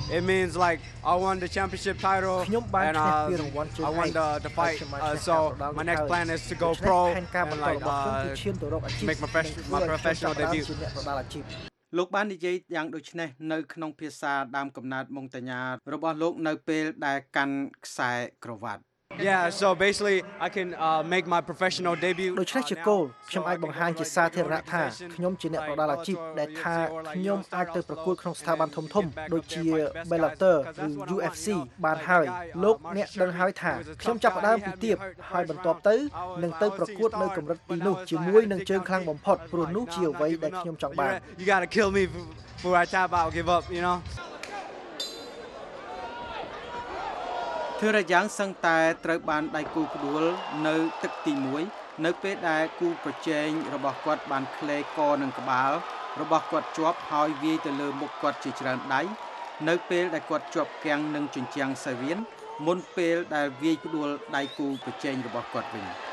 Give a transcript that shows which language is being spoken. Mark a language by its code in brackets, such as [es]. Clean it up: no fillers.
[en] it means like I won the championship title and I won the fight so my next plan is to go pro and like make my professional debut [km] លោកបាននិយាយយ៉ាងដូចនេះនៅក្នុងភាសាដើមកំណើតម៉ុងតាញ៉ារបស់លោកនៅពេលដែលកាន់ខ្សែក្រវ៉ាត់ [en] Yeah so basically I can make my professional debut [km] ដូចនេះជាគោលខ្ញុំអាចបង្ហាញជាសាធារណៈថាខ្ញុំជាអ្នកប្រដាល់អាជីពដែលថាខ្ញុំអាចទៅប្រកួតក្នុងស្ថាប័នធំៗដូចជា Bellator ឬ UFC បានហើយលោកអ្នកដឹងហើយថាខ្ញុំចាប់ផ្ដើមពីទាបហើយបន្តទៅនឹងទៅប្រកួតនៅកម្រិតទីនោះជាមួយនឹងជើងខ្លាំងបំផុតព្រោះនោះជាអ្វីដែលខ្ញុំចង់បាន [en] You got to kill me before I tap out give up you know [km] ធឿរ៉ាយ៉ាងសឹងតែត្រូវបានដៃគូផ្ដួលនៅទឹកទី1នៅពេលដែលគូប្រជែងរបស់គាត់បានក្លែកនឹងក្បាលរបស់គាត់ជាប់ហើយវាយទៅលើមុខគាត់ជាច្រើនដៃនៅពេលដែលគាត់ជាប់កាំងនឹងជញ្ជាំងសាវៀនមុនពេលដែលវាយផ្ដួលដៃគូប្រជែងរបស់គាត់វិញ